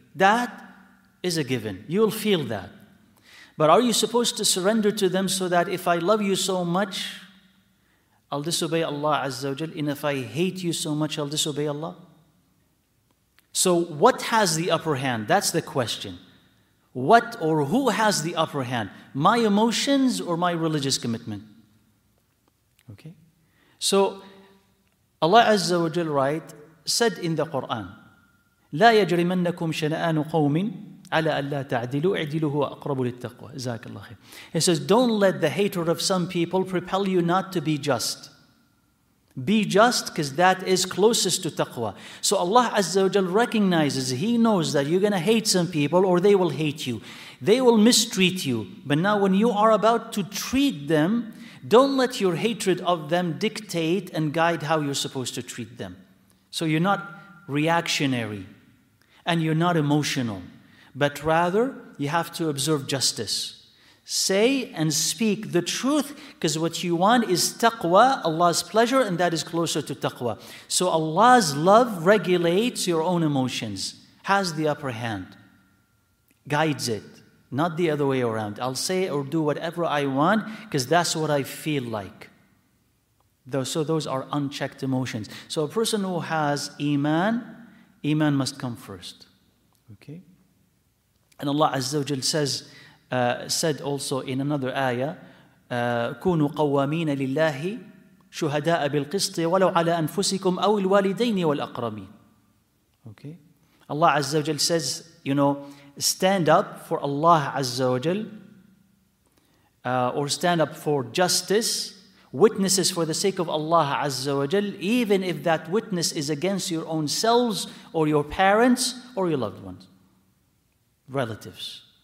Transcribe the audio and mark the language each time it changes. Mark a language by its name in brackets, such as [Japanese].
[English] That is a given. You'll feel that. But are you supposed to surrender to them so that if I love you so much, I'll disobey Allah Azza wa Jal, and if I hate you so much, I'll disobey Allah? So what has the upper hand? That's the question. What or who has the upper hand? My emotions or my religious commitment? Okay. So Allah Azza wa Jal said in the Quran, [Arabic] لَا يَجْرِمَنَّكُمْ شَنَآنُ قَوْمٍ عَلَىٰ أَلَّا تَعْدِلُوا اِعْدِلُوا هُوَ أَقْرَبُ لِلتَّقْوَىٰ. جزاك الله خير. [English] He says, don't let the hatred of some people propel you not to be just. Be just, because that is closest to taqwa. So Allah Azza wa Jal recognizes, He knows that you're going to hate some people or they will hate you. They will mistreat you. But now when you are about to treat them, don't let your hatred of them dictate and guide how you're supposed to treat them. So you're not reactionary and you're not emotional, but rather you have to observe justice. Say and speak the truth, because what you want is taqwa, Allah's pleasure, and that is closer to taqwa. So Allah's love regulates your own emotions, has the upper hand, guides it. Not the other way around. I'll say or do whatever I want because that's what I feel like. So those are unchecked emotions. So a person who has iman must come first. Okay. And Allah Azza wa Jal said also in another ayah, [Arabic] كُونُوا قَوَّامِينَ لِلَّهِ شُهَدَاءَ بِالْقِسْطِ وَلَوْ عَلَىٰ أَنفُسِكُمْ أَوِ الْوَالِدَيْنِ وَالْأَقْرَبِينَ. [English] Okay. Allah Azza wa Jal says, you know, stand up for Allah Azza wa Jal, or stand up for justice, witnesses for the sake of Allah Azza wa Jal, even if that witness is against your own selves or your parents or your loved ones, relatives.